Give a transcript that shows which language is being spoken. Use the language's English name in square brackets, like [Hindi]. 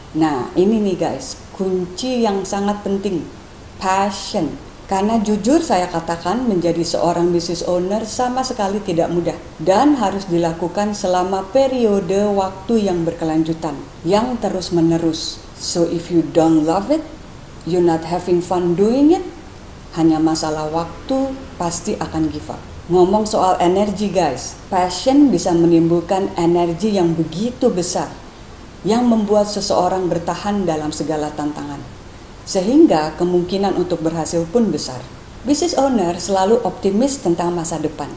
[Indonesian] Nah, ini nih guys, kunci yang sangat penting, passion. Karena jujur saya katakan menjadi seorang business owner sama sekali tidak mudah dan harus dilakukan selama periode waktu yang berkelanjutan, yang terus menerus. [English] So if you don't love it, you're not having fun doing it, [Indonesian] hanya masalah waktu pasti akan [English] give up. [Indonesian] Ngomong soal energi guys, passion bisa menimbulkan energi yang begitu besar, yang membuat seseorang bertahan dalam segala tantangan. Sehingga kemungkinan untuk berhasil pun besar. Business owner selalu optimis tentang masa depan.